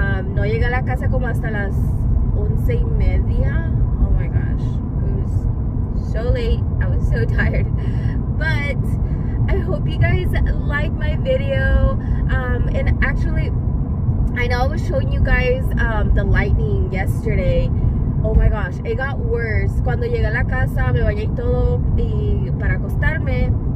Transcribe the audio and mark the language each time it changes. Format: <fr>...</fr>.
<es>No llegué a la casa como hasta las 11:30.</es> <en>Oh my gosh, it was so late. I was so tired. But I hope you guys like my video. And actually, I know I was showing you guys the lightning yesterday. Oh my gosh, it got worse.</en> <es>Cuando llegué a la casa, me bañé y todo y para acostarme.</es>